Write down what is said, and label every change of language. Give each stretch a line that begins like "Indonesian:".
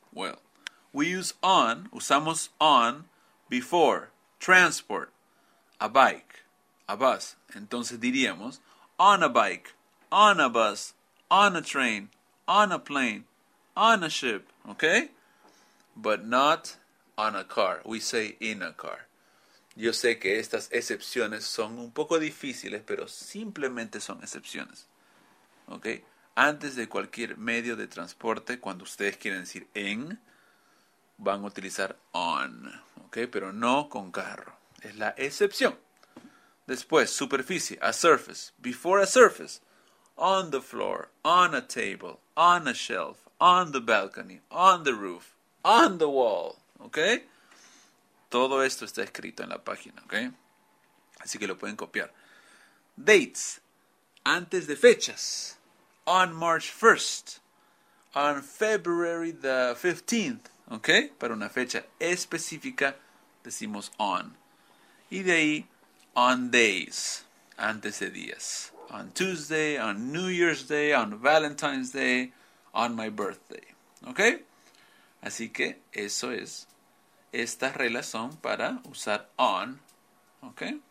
English: Well, we use on,
Spanish: usamos
English: on, before, transport, a bike, a bus.
Spanish: Entonces diríamos,
English: on a bike, on a bus, on a train, on a plane, on a ship, okay? But not on a car, we say in a car.
Spanish: Yo sé que estas excepciones son un poco difíciles, pero simplemente son excepciones, okay? Antes de cualquier medio de transporte, cuando ustedes quieren decir en, van a utilizar on, ¿ok? Pero no con carro. Es la excepción. Después, superficie,
English: a surface, before a surface, on the floor, on a table, on a shelf, on the balcony, on the roof, on the wall, ¿ok?
Spanish: Todo esto está escrito en la página, ¿ok? Así que lo pueden copiar. Dates, antes de fechas.
English: On March 1st, on February the 15th, ¿ok?
Spanish: Para una fecha específica decimos on. Y de ahí,
English: on days,
Spanish: antes de días.
English: On Tuesday, on New Year's Day, on Valentine's Day, on my birthday, ¿ok?
Spanish: Así que eso es. Estas reglas son para usar on, ¿ok?